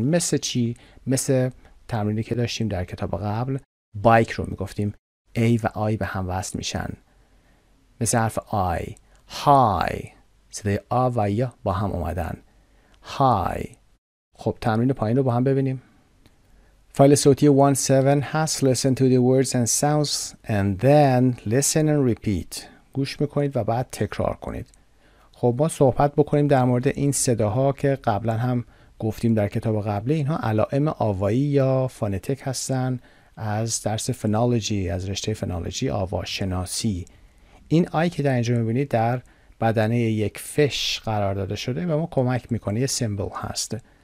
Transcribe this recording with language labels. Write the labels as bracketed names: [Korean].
[Persian] مثل چی؟ مثل تمرینی که داشتیم در کتاب قبل. Bike رو میگفتیم. A و I به هم وصل میشن. مثل حرف I. Hi. صدای A و I با هم اومدن. Hi. خب تمرین پایین رو با هم ببینیم. فایل صوتی 1-7 هست. [English] Listen to the words and sounds and then listen and repeat. [Persian] گوش میکنید و بعد تکرار کنید. خب ما صحبت بکنیم در مورد این صداها که قبلا هم گفتیم در کتاب قبلی. اینها علائم آوایی یا فونتیک هستن از درس فنولوژی، از رشته فنولوژی آواشناسی. این آی که در اینجا میبینید در بدنه یک فش قرار داده شده و ما کمک میکنه. یه سیمبل هست.